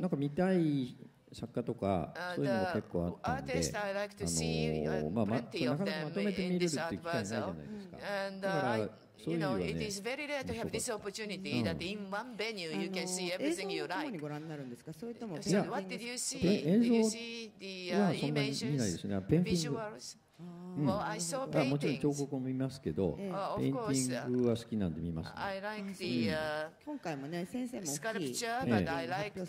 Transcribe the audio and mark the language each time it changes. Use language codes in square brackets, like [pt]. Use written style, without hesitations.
[ja] なんか見たい作家とかそういうのも結構あったんで、なかなかまとめて見れるっていう機会ないじゃないですか。だからそういう意味はね、 [en] It is very rare to have this opportunity that in one venue you can see everything you like. [ja] 映像をご覧になるんですか？それとも、 [en] What did you see? Did you see the images? [ja] 見ないですね。ペンティング。もちろん彫刻も見ますけど、ペインティングは好きなんで見ます、ね。 [en] I like the, [ja] 今回もね、先生も大きい発表されてます。